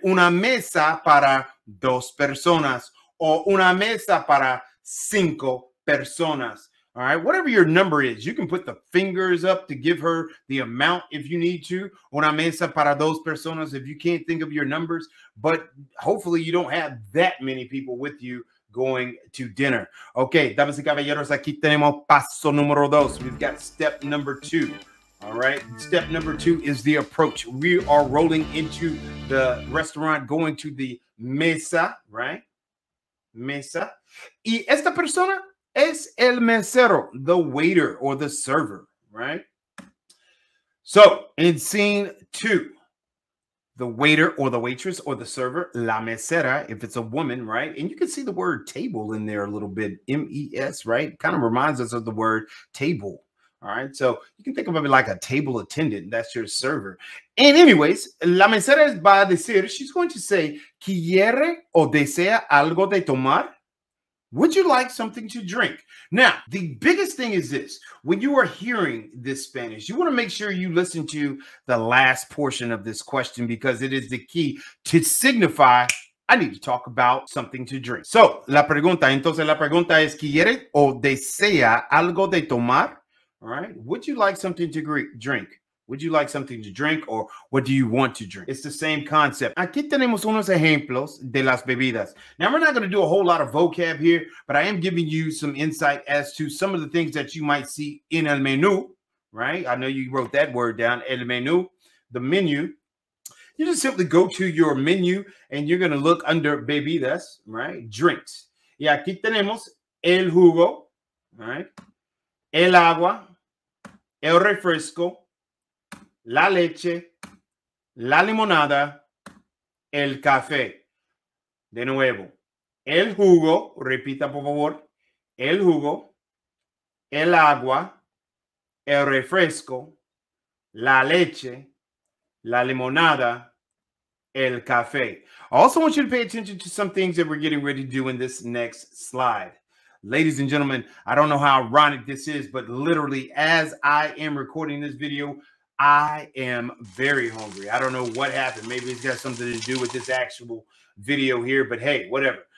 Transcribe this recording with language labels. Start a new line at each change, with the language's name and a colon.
Spanish: Una mesa para dos personas, o una mesa para cinco personas.
English: All right, whatever your number is, you can put the fingers up to give her the amount if you need to.
Spanish: Una mesa para dos personas
English: if you can't think of your numbers. But hopefully you don't have that many people with you going to dinner.
Spanish: Okay, damas y caballeros, aquí tenemos paso número dos.
English: We've got step number two. All right, step number two is the approach. We are rolling into the restaurant, going to the mesa, right? Mesa.
Spanish: Y esta persona es el mesero,
English: the waiter or the server, right? So in scene two, the waiter or the waitress or the server, la mesera, if it's a woman, right? And you can see the word table in there a little bit, M-E-S, right? Kind of reminds us of the word table, all right? So you can think of it like a table attendant. That's your server. And anyways,
Spanish: la mesera va a decir,
English: she's going to say,
Spanish: ¿quiere o desea algo de tomar?
English: Would you like something to drink? Now, the biggest thing is this. When you are hearing this Spanish, you want to make sure you listen to the last portion of this question because it is the key to signify, I need to talk about something to drink.
Spanish: So, la pregunta. Entonces, la pregunta es, ¿quiere o desea algo de tomar?
English: All right. Would you like something to drink? Would you like something to drink or what do you want to drink? It's the same concept.
Spanish: Aquí tenemos unos ejemplos de las bebidas.
English: Now, we're not going to do a whole lot of vocab here, but I am giving you some insight as to some of the things that you might see in el menú, right? I know you wrote that word down, el menú, the menu. You just simply go to your menu and you're going to look under bebidas, right?
Spanish: Drinks. Y aquí tenemos el jugo, right? El agua, el refresco, la leche, la limonada, el café. De nuevo, el jugo, repita por favor, el jugo, el agua, el refresco, la leche, la limonada, el café.
English: I also want you to pay attention to some things that we're getting ready to do in this next slide. Ladies and gentlemen, I don't know how ironic this is, but literally as I am recording this video, I am very hungry. I don't know what happened. Maybe it's got something to do with this actual video here, but hey, whatever.